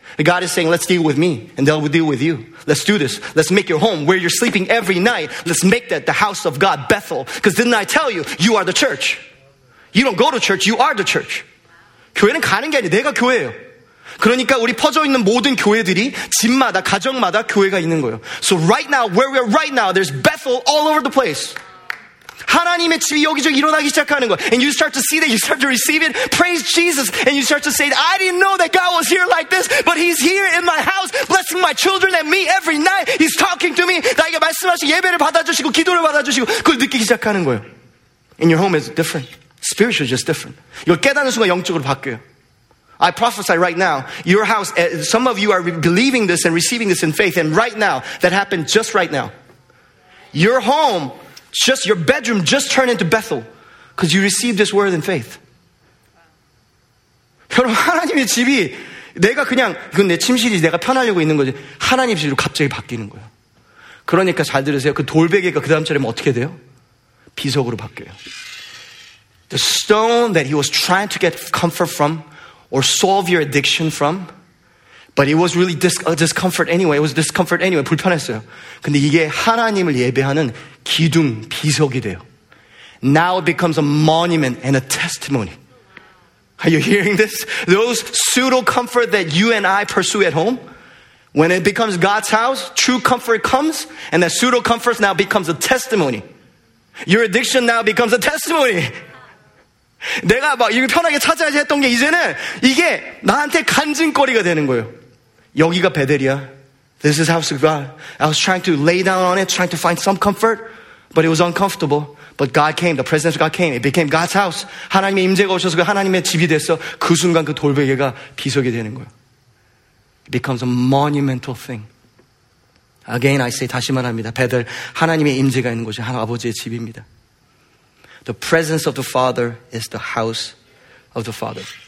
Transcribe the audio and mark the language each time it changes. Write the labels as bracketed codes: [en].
[en] And God is saying, let's deal with me, and they'll deal with you. Let's do this. Let's make your home where you're sleeping every night. Let's make that the house of God, Bethel. Because didn't I tell you, you are the church. You don't go to church, you are the church. [ko] 교회는 가는 게 아니에요. 내가 교회예요. 그러니까 우리 퍼져 있는 모든 교회들이 집마다 가정마다 교회가 있는 거예요. [en] So right now, where we are right now, there's Bethel all over the place. [ko] 하나님의 집이 여기저기 일어나기 시작하는 거예요. [en] And you start to see that, you start to receive it. Praise Jesus. And you start to say, I didn't know that God was here like this, but He's here in my house, blessing my children and me every night. He's talking to me. [ko] 나에게 말씀하시고 예배를 받아주시고 기도를 받아주시고 그걸 느끼기 시작하는 거예요. [en] And your home is different. Spiritually just different. [ko] 이걸 깨닫는 순간 영적으로 바뀌어요. [en] I prophesy right now, your house, some of you are believing this and receiving this in faith, and right now, that happened just right now. Your home, just your bedroom, just turned into Bethel, because you received this word in faith. [ko] 여러분, 하나님의 집이, 내가 그냥, 그건 내 침실이지, 내가 편하려고 있는 거지, 하나님의 집으로 갑자기 바뀌는 거예요. 그러니까 잘 들으세요. 그 돌베개가 그 다음 차례면 어떻게 돼요? 비석으로 바뀌어요. [en] The stone that he was trying to get comfort from, or solve your addiction from, but it was really discomfort anyway. It was discomfort anyway. [ko] 불편했어요. 근데 이게 하나님을 예배하는 기둥, 비석이 돼요. [en] Now it becomes a monument and a testimony. Are you hearing this? Those pseudo comfort that you and I pursue at home, when it becomes God's house, true comfort comes, and that pseudo comfort now becomes a testimony. Your addiction now becomes a testimony. [ko] 내가 막 이거 편하게 찾아야지 했던 게 이제는 이게 나한테 간증거리가 되는 거예요. 여기가 베델이야. [en] This is house of God. I was trying to lay down on it, trying to find some comfort, but it was uncomfortable. But God came, the presence of God came. It became God's house. [ko] 하나님의 임재가 오셔서 그 하나님의 집이 됐어. 그 순간 그 돌베개가 비석이 되는 거예요. [en] It becomes a monumental thing. Again, I say [ko] 다시 말합니다. 베델, 하나님의 임재가 있는 곳이 아버지의 집입니다. [en] The presence of the Father is the house of the Father.